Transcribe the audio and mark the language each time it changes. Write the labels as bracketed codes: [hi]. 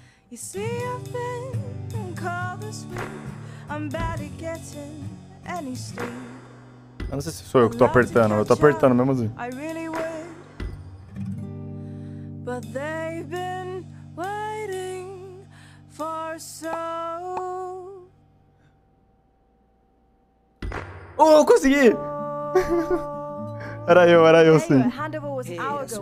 [en] You see, I've been called this week. I'm barely getting any sleep. [pt] Não sei se sou eu que tô apertando. Eu tô apertando mesmo assim. [en] I really would. But they've been waiting for so. [pt] Oh, eu consegui! Era eu sim. [en] Anyway, handover was an hour ago.